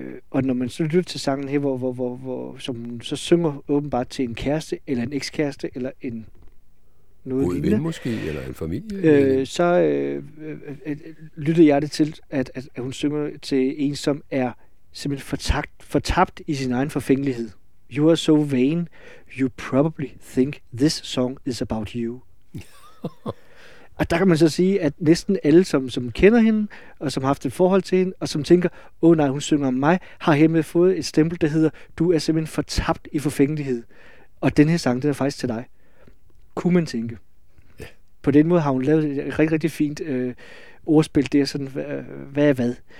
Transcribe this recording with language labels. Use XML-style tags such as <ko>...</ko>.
<da>Og når man så lytter til sangen her, hvor som så synger åbenbart til en kæreste, eller en ekskæreste, eller en noget lignende. Ven måske, eller en familie. Så lytter jeg det til, at hun synger til en, som er simpelthen fortabt i sin egen forfængelighed.</da> <en>You are so vain, you probably think this song is about you.</en> <da>Og der kan man så sige, at næsten alle, som kender hende, og som har haft et forhold til hende, og som tænker, åh nej, hun synger om mig, har hermed fået et stempel, der hedder, du er simpelthen fortabt i forfængelighed. Og den her sang, den er faktisk til dig. Kunne man tænke. Ja. På den måde har hun lavet et rigtig, rigtig fint ordspil der, sådan, hvad er hvad.</da>